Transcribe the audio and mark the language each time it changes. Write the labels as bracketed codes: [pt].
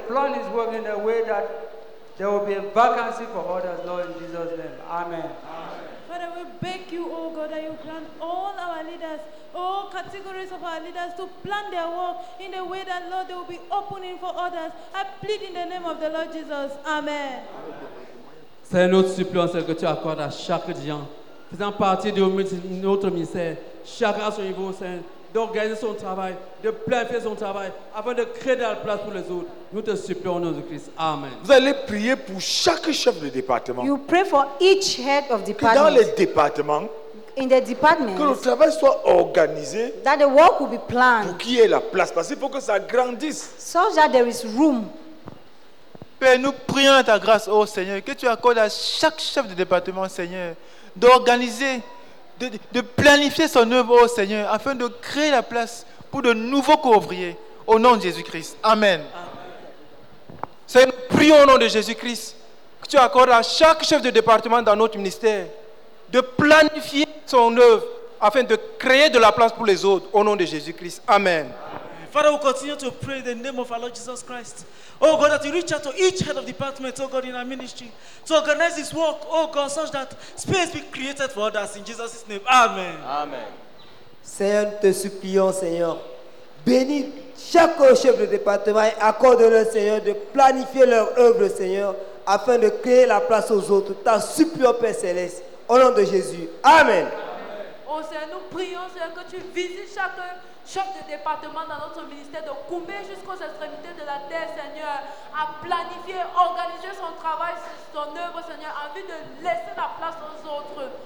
[en] Plan his work in a way that there will be a vacancy for others, Lord, in Jesus' name. Amen. Amen. Father, we beg you, oh God, that you grant all our leaders, all categories of our leaders, to plan their work in the way that, Lord, they will be opening for others. I plead in the name of the Lord Jesus. Amen. [fr] Seigneur, nous supplions ce que tu accordes à chaque dirigeant faisant partie de notre ministère, chacun à son niveau, Seigneur, d'organiser son travail, de planifier son travail, afin de créer de la place pour les autres. Nous te supplions au nom de Christ. Amen. Vous allez prier pour chaque chef de département. [en] You pray for each head of department. [fr] Que dans les départements, [en] in the departments, [fr] que le travail soit organisé, [en] that the work will be planned, [fr] pour qu'il y ait la place, parce qu'il faut que ça grandisse, [en] so that there is room. [fr] Père, nous prions ta grâce, oh Seigneur, que tu accordes à chaque chef de département, Seigneur, d'organiser, de planifier son œuvre, oh Seigneur, afin de créer la place pour de nouveaux co-ouvriers, au nom de Jésus-Christ. Amen. Amen. Seigneur, nous prions au nom de Jésus-Christ que tu accordes à chaque chef de département dans notre ministère de planifier son œuvre afin de créer de la place pour les autres, au nom de Jésus-Christ. Amen. Amen. [en] Father, we continue to pray in the name of our Lord Jesus Christ. Oh God, that you reach out to each head of department, oh God, in our ministry, to organize this work, oh God, such that space be created for others, in Jesus' name. Amen. Amen. [fr] Seigneur, nous te supplions, Seigneur, bénis chaque chef de département et accorde-leur, Seigneur, de planifier leur œuvre, Seigneur, afin de créer la place aux autres. T'as supplions, Père Céleste, au nom de Jésus. Amen. Oh Seigneur, nous prions, Seigneur, que tu visites chacun chef de département dans notre ministère de Koumbé jusqu'aux extrémités de la terre, Seigneur, à planifier, organiser son travail, son œuvre, Seigneur, en vue de laisser la place aux autres.